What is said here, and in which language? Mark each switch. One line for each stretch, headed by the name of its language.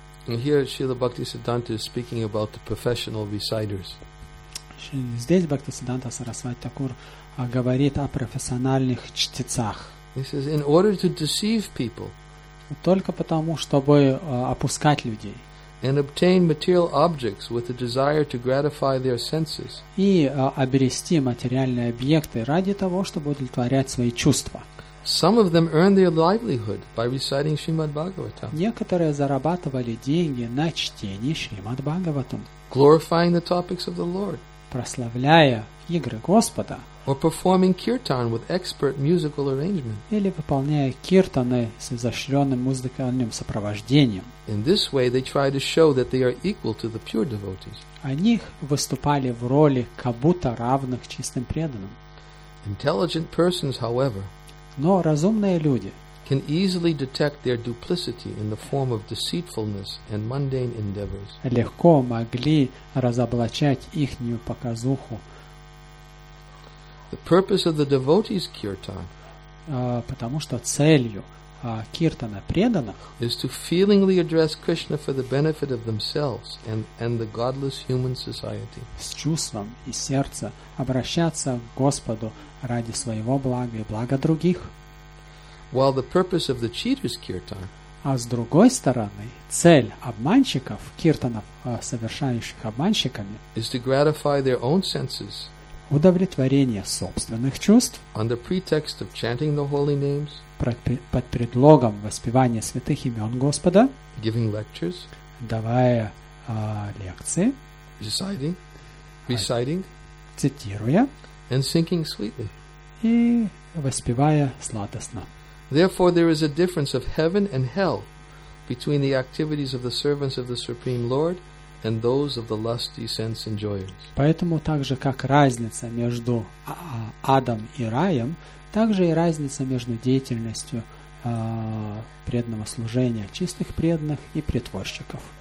English: And here Srila Bhaktisiddhanta is speaking about the professional reciters.
Russian: Здесь Бхактисиддханта Сарасвати Такур говорит о профессиональных чтецах.
English: He says, in order to deceive people,
Russian: только потому, чтобы опускать людей.
English: and obtain material objects with a desire to gratify their senses.
Russian: И обрести материальные объекты ради того, чтобы удовлетворять свои чувства.
English: Some of them earn their livelihood by reciting Srimad Bhagavatam.
Russian: Некоторые зарабатывали деньги на чтении Шримад Бхагаватам.
English: Glorifying the topics of the Lord.
Russian: Прославляя игры Господа.
English: Or performing kirtan with expert musical arrangement.
Russian: Или выполняя киртаны с изощренным музыкальным сопровождением.
English: In this way, they try to show that they are equal to the pure devotees.
Russian: Они выступали в роли как будто равных чистым преданным.
English: Intelligent persons, however,
Russian: но разумные люди
English: can easily detect their duplicity in the form of deceitfulness and mundane endeavors.
Russian: Легко могли разоблачать ихнюю показуху.
English: The purpose of the devotee's kirtan,
Russian: потому что целью киртана преданных,
English: is to feelingly address Krishna for the benefit of themselves and the godless human society.
Russian: С чувством и сердца обращаться к Господу ради своего блага и блага других.
English: While the purpose of the cheater's kirtan,
Russian: а с другой стороны, цель обманщиков киртанов, совершающих обманщиками,
English: is to gratify their own senses.
Russian: Удовлетворение собственных чувств
English: under pretext of chanting the holy names,
Russian: под предлогом воспевания святых имен Господа,
English: giving lectures,
Russian: давая лекции,
English: reciting,
Russian: цитируя,
English: and singing sweetly,
Russian: и воспевая сладостно.
English: Therefore, there is a difference of heaven and hell between the activities of the servants of the Supreme Lord and those of the lusty sense enjoyers.
Russian: Поэтому также как разница между адом и раем, также и разница между деятельностью преданного служения чистых преданных и притворщиков.